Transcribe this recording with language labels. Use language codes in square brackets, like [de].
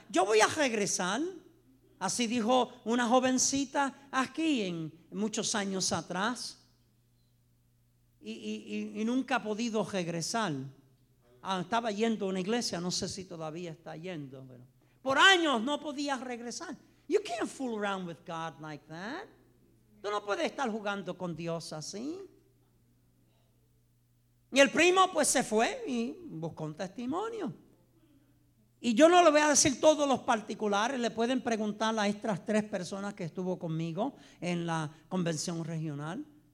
[es] Yo voy a regresar. Así dijo una jovencita aquí en muchos años atrás. Y nunca ha podido regresar. Estaba yendo a una iglesia, no sé si todavía está yendo, pero por años no podía regresar. [en] You can't fool around with God like that. [es] Tú no puedes estar jugando con Dios así. Y el primo pues se fue y buscó un testimonio. Y yo no le voy a decir todos los particulares, le pueden preguntar a estas tres personas que estuvo conmigo en la convención regional.